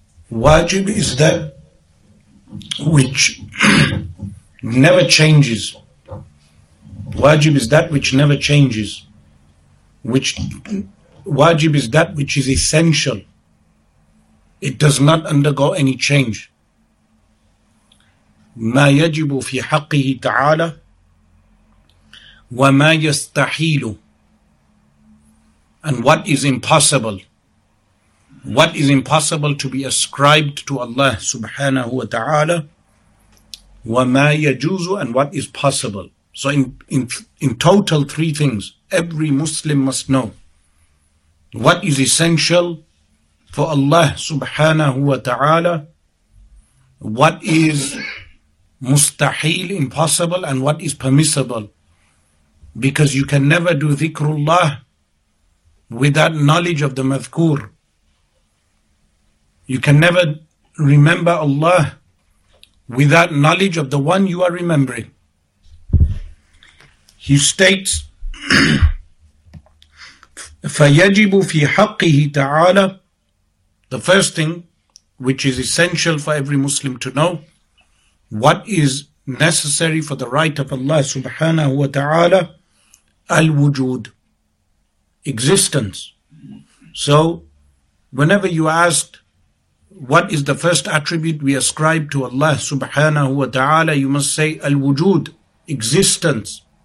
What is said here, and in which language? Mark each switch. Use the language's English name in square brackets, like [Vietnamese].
[English] Wajib is that which never changes. Wajib is that which never changes. Wajib is that which is essential. It does not undergo any change. [Arabic] ما يجب في حقه تعالى وما يستحيل. [English] And what is impossible? What is impossible to be ascribed to Allah subhanahu wa ta'ala? [Arabic] وما يجوز, [English] and what is possible? So in total, three things every Muslim must know. What is essential for Allah subhanahu wa ta'ala? What is mustahil, impossible, and what is permissible? Because you can never do dhikrullah without knowledge of the madhkur. You can never remember Allah without knowledge of the one you are remembering. He states, [Arabic] فَيَجِبُ فِي حَقِّهِ تَعَالَى. [English] The first thing which is essential for every Muslim to know, what is necessary for the right of Allah subhanahu wa ta'ala, al-wujud, existence. So whenever you asked what is the first attribute we ascribe to Allah subhanahu wa ta'ala, you must say al-wujud, existence.